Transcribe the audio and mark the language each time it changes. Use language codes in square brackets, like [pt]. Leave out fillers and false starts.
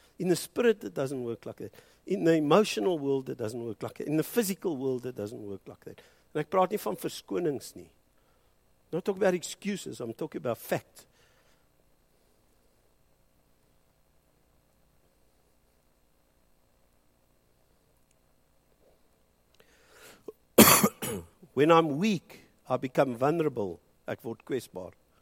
[en] In the spirit, it doesn't work like that. In the emotional world, it doesn't work like that. In the physical world, it doesn't work like that. [af] En ek praat nie van verskonings nie. [en] I'm not talking about excuses, I'm talking about fact. When I'm weak, I become vulnerable, [af] ek word kwesbaar.